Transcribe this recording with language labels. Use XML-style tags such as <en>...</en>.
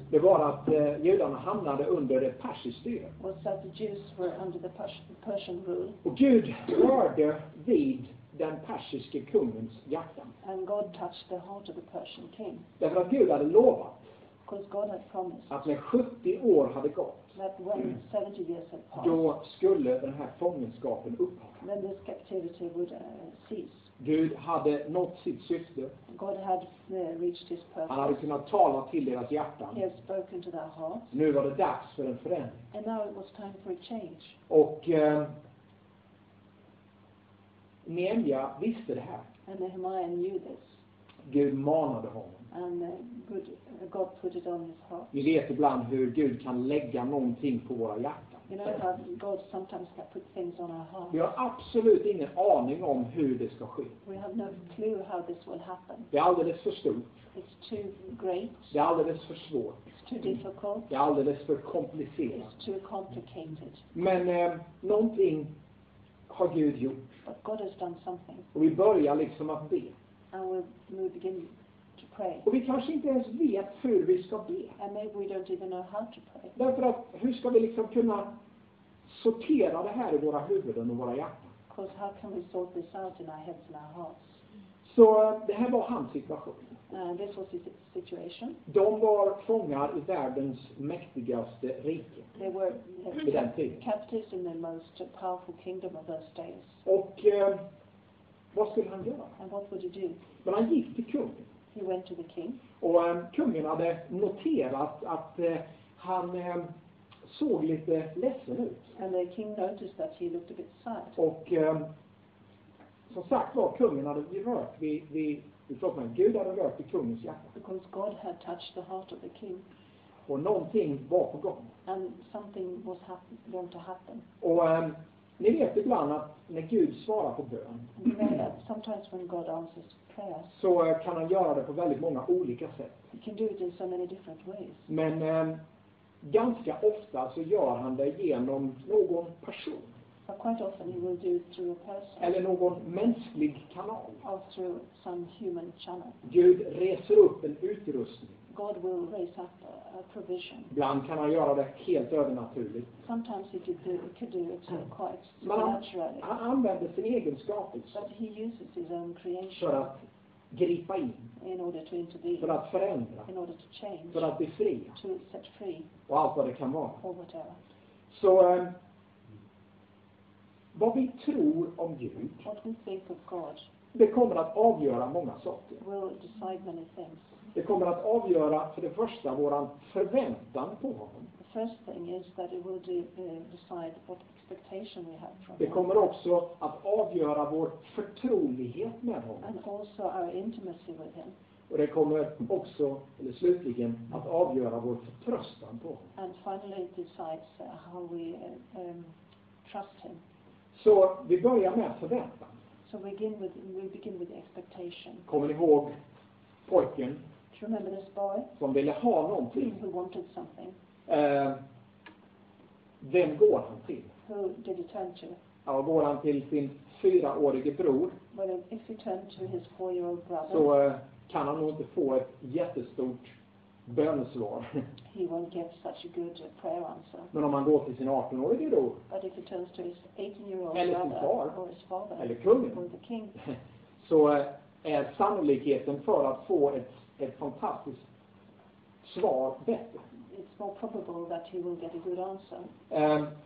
<sv>Det var att judarna hamnade under det persiska styret.</sv> <en>Was that the Jews were under the Persian rule?</en> <sv>Och Gud rörde vid den persiske kungens hjärta.</sv> <en>And God touched the heart of the Persian king.</en> <sv>Därför att Gud hade lovat.</sv> <en>Because God had promised.</en> <sv>Att när 70 år hade gått.</sv> <en>That when 70 years had passed,</en> <sv>då skulle den här fångenskapen upphöra.</sv> <en>Then this captivity would cease.</en> <sv>Gud hade nått sitt syfte.</sv> <en>God had reached his purpose.</en> <sv>Han hade kunnat tala till deras hjärtan.</sv> <en>He had spoken to their hearts.</en> <sv>Nu var det dags för en förändring.</sv> <en>And now it was time for a change.</en> <sv>Och Nehemja visste det här.</sv> <en>And Nehemiah knew this.</en> <sv>Gud manade honom.</sv> <en>And God put it on his heart.</en> <sv>Vi vet ibland hur Gud kan lägga någonting på våra hjärtan.</sv> <en>You know how God sometimes can put things on our hearts.</en> <sv>Vi har absolut ingen aning om hur det ska ske.</sv> <en>We have no clue how this will happen.</en> <sv>Det är alldeles för stort.</sv> <en>It's too great.</en> <sv>Det är alldeles för svårt.</sv> <en>It's too difficult.</en> <sv>Det är alldeles för komplicerat.</sv> <en>It's too complicated.</en> <sv>Men någonting har Gud gjort.</sv> <en>But God has done something.</en> <sv>Och vi börjar liksom att be.</sv> <en>And we begin.</en> <sv>Och vi kanske inte ens vet hur vi ska be.</sv> <en>And maybe we don't even know how to pray.</en> <sv>Därför att hur ska vi liksom kunna sortera det här i våra huvuden och våra hjärtan?</sv> <en>Because how can we sort this out in our heads and our hearts?</en> <sv>Så det här var hans situation.</sv> <en>This was his situation.</en> <sv>De var fångar i världens mäktigaste rike.</sv> <en>They were</en> <sv>vid den tiden.</sv> <en>Captives in the most powerful kingdom of those days.</en> <sv>Och vad skulle han göra?</sv> <en>And what would he do?</en> <sv>Men han gick till kungen.</sv> <en>He went to the king.</en> <sv>Och kungen hade noterat att han såg lite ledsen ut.</sv> <en>And the king noticed that he looked a bit sad.</en> <sv>Och som sagt var kungen hade rört vid Gud hade rört i kungens hjärta.</sv> <en>Because God had touched the heart of the king.</en> <sv>Och någonting var på gång.</sv> <en>And something was going to happen.</en> <sv>Och ni vet ibland att när Gud svarar på bön.</sv> <en>Sometimes when God answers prayer.</en> <sv>Så kan han göra det på väldigt många olika sätt.</sv> <en>He can do it in so many different ways.</en> <sv>Men ganska ofta så gör han det genom någon person.</sv> <en>But quite often he will do it through a person.</en> <sv>Eller någon mänsklig kanal.</sv> <en>Or through some human channel.</en> <sv>Gud reser upp en utrustning.</sv> <en>God will raise up a provision.</en> <sv>Ibland kan han göra det helt övernaturligt.</sv> <en>Sometimes he could do it quite supernaturally.</en> <sv>Han använder sin egen skapelse.</sv> <en>But he uses his own creation.</en> <sv>För att gripa in.</sv> <en>In order to intervene.</en> <sv>För att förändra.</sv> <en>In order to change.</en> <sv>För att befria.</sv> <en>To set free.</en> <sv>Och allt vad det kan vara.</sv> <en>Or whatever.</en> <sv>Så vad vi tror om Gud.</sv> <en>What we think of God.</en> <sv>Det kommer att avgöra många saker.</sv> <en>Will decide many things.</en> <sv>Det kommer att avgöra för det första våran förväntan på honom.</sv> <en>The first thing is that it will decide what expectation we have from him.</en> <sv>Det kommer också att avgöra vår förtrolighet med honom.</sv> <en>And also our intimacy with him.</en> <sv>Och det kommer också, eller slutligen, att avgöra vår förtröstan på honom.</sv> <en>And finally it decides how we trust him.</en> <sv>Så vi börjar med förväntan.</sv> <en>So we begin with expectation.</en> <sv>Kommer ni ihåg pojken?</sv> <en>Do you remember this boy?</en> <sv>Som ville ha någonting.</sv> <en>Who wanted something.</en> <sv>Vem går han till?</sv> <en>Who did he turn to?</en> <sv>Ja, går han till sin fyraårige bror?</sv> <en>Well, if he turned to his four-year-old brother,</en> <sv>så kan han nog inte få ett jättestort bönesvar.</sv> <en>He won't get such a good prayer answer.</en> <sv>Men om han går till sin 18-årige bror?</sv> <en>But if he turns to his 18-year-old</en> <sv>eller</sv> <en>brother,</en> <sv>sin far,</sv> <en>or his father,</en> <sv>eller kungen,</sv> <en>or the king,</en> <sv>så är sannolikheten för att få ett fantastiskt svar bättre.</sv> <en>It's more probable that he will get a good answer.</en>